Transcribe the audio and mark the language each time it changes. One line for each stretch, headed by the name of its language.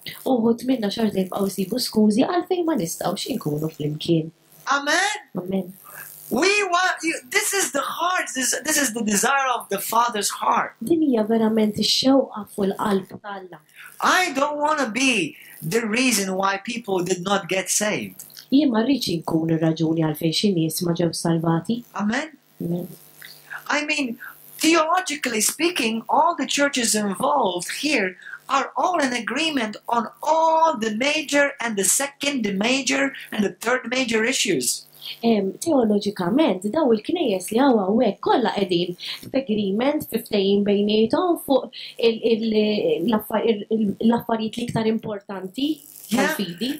Maltese: Oh, tminna xorta jibqgħu jsibu skużi għalfejn ma nistgħux inkunu flimkien. Amen. Amen.
English: We want you, this is the heart, this is the desire of the Father's heart.
Maltese: Dinija verament ix-xewqa fil-qalb tal-Alla.
English: I don't want to be the reason why people did not get saved.
Maltese: Jien ma rridx inkun ir-raġuni għalfejn xi nies ma ġew salvati. Amen. Amen.
English: I mean, theologically speaking, all the churches involved here are all in agreement on all the major and the second major and the third major issues.
Maltese: Teologikament daw il-knejjes li huwa hawnhekk kollha qegħdin f'agreement f'ftehim bejniethom fuq l-affarijiet l-iktar importanti tal-fidi.